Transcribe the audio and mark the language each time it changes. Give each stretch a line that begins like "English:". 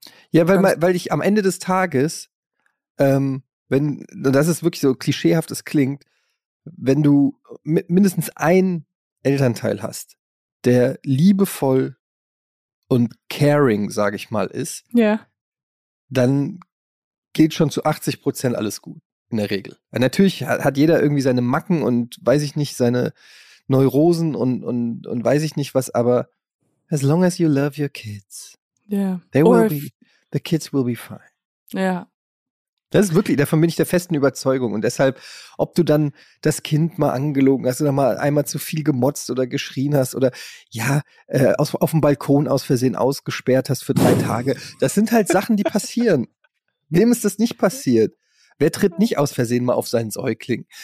German: Ja, weil ich am Ende des Tages, wenn, das ist wirklich so klischeehaft, es klingt, wenn du mindestens ein Elternteil hast, der liebevoll und caring, sage ich mal, ist, yeah, dann geht schon zu 80% alles gut, in der Regel. Natürlich hat jeder irgendwie seine Macken und weiß ich nicht, seine Neurosen und weiß ich nicht was, aber
English: as long as you love your kids, yeah, they will be, the kids will be fine. Ja. Yeah.
German: Das ist wirklich, davon bin ich der festen Überzeugung. Und deshalb, ob du dann das Kind mal angelogen hast oder mal einmal zu viel gemotzt oder geschrien hast oder ja, auf dem Balkon aus Versehen ausgesperrt hast für 3 Tage, das sind halt Sachen, die passieren. Wem ist das nicht passiert? Wer tritt nicht aus Versehen mal auf seinen Säugling?